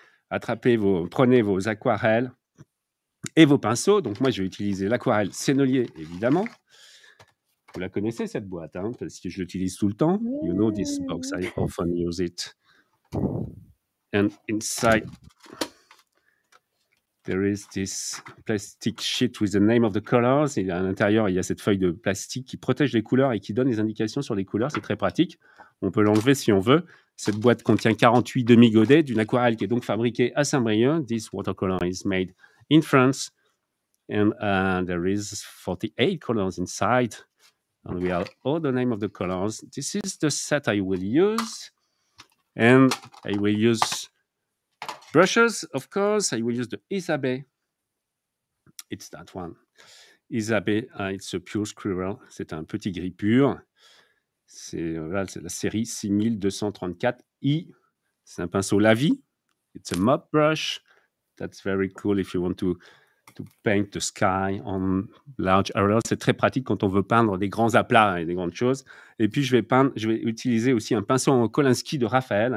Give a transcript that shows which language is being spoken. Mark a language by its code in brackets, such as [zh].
[fr] Prenez vos aquarelles et vos pinceaux. Donc, moi, je vais utiliser l'aquarelle Sennelier, évidemment. Vous la connaissez, cette boîte, hein, parce que je l'utilise tout le temps. [en] You know this box, I often use it. And inside, there is this plastic sheet with the name of the colors. [fr] Et à l'intérieur, il y a cette feuille de plastique qui protège les couleurs et qui donne les indications sur les couleurs. C'est très pratique. On peut l'enlever si on veut. Cette boîte contient 48 demi-godets d'une aquarelle qui est donc fabriquée à Saint-Brieuc. [en] This watercolor is made in France. And there is 48 colors inside. And we have all the name of the colors. This is the set I will use. And I will use brushes, of course. I will use the Isabey. It's that one. Isabey, it's a pure squirrel. [fr] C'est un petit gris pur. C'est la série 6234i. C'est un pinceau Lavi. [en] It's a mop brush. That's very cool if you want to paint the sky on large areas. [fr] C'est très pratique quand on veut peindre des grands aplats et des grandes choses. Et puis, je vais utiliser aussi un pinceau en Kolinsky de Raphaël.